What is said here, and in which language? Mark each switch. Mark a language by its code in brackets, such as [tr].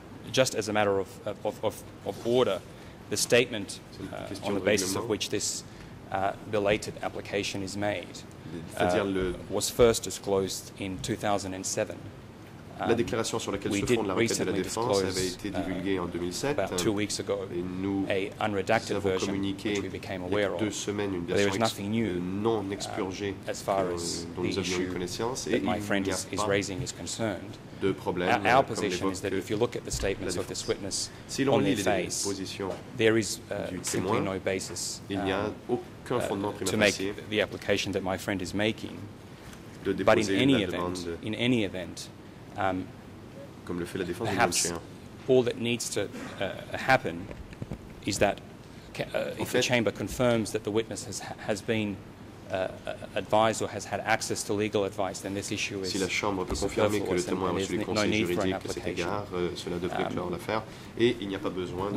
[en] Just as a matter of order, the statement on the basis of which this belated application is made was first disclosed in 2007. [fr] La déclaration sur laquelle se fonde la requête de la défense avait été divulguée en 2007 et nous avons communiqué il y a deux semaines une version non expurgée dont nous avions eu connaissance et il n'y a pas de problème comme l'évoque la défense. Si l'on lit les positions du témoin, il n'y a aucun fondement primaire de déposer la demande. Comme le fait la défense de Nunchia. [en] All that needs to happen is that if the chamber confirms that the witness has been advised or has had access to legal advice, then this issue is [fr] si la chambre peut confirmer que le témoin a reçu les conseils juridiques à cet égard, cela devrait clore l'affaire et il n'y a pas besoin de